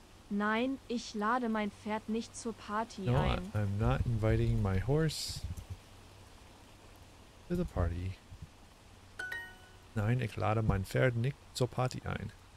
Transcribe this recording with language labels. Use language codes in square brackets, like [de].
[de] Nein, ich lade mein Pferd nicht zur Party [en] no, [de] ein. [en] No, I'm not inviting my horse to the party. [de] Nein, ich lade mein Pferd nicht zur Party ein.